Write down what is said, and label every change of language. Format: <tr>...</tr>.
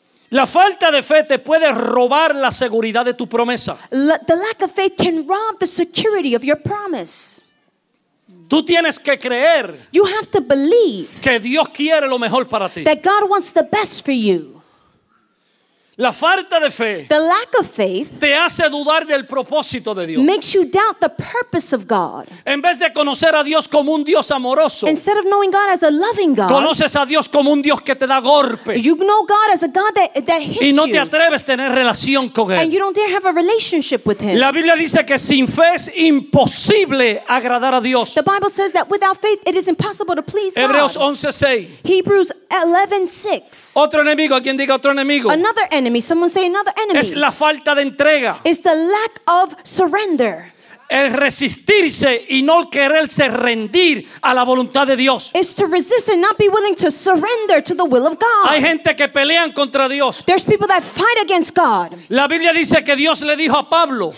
<es>La falta de fe te puede robar la seguridad de tu promesa.</es> <en>The lack of faith can rob the security of your promise.</en> <es>Tú tienes que creer.</es> <en>You have to believe.</en> <es>Que Dios quiere lo mejor para ti.</es> <en>That God wants the best for you.</en> <es>La falta de fe,</es> <en>the lack of faith,</en> <es>te hace dudar del propósito de Dios.</es> <en>Makes you doubt the purpose of God.</en> <es>En vez de conocer a Dios como un Dios amoroso,</es> <en>instead of knowing God as a loving God,</en> <es>conoces a Dios como un Dios que te da golpe.</es> <en>You know God as a God that hits you.</en> <es>Y no te atreves a tener relación con él.</es> <en>And you don't dare have a relationship with him.</en> <es>La Biblia dice que sin fe es imposible agradar a Dios.</es> <en>The Bible says that without faith it is impossible to please God.</en> <es>Hebreos 11:6.</es> <en>Hebrews 11:6.</en> <es>Otro enemigo, ¿quién diga otro enemigo?</es> <en>Another enemy. Someone say another enemy.</en> <es>Es la falta de entrega.</es> <en>It's the lack of surrender.</en> <es>El resistirse y no quererse rendir a la voluntad de Dios.</es> <en>It's to resist and not be willing to surrender to the will of God.</en> <es>Hay gente que pelean contra Dios.</es> <en>There's people that fight against God.</en> <es>La Biblia dice que Dios le dijo a Pablo.</es>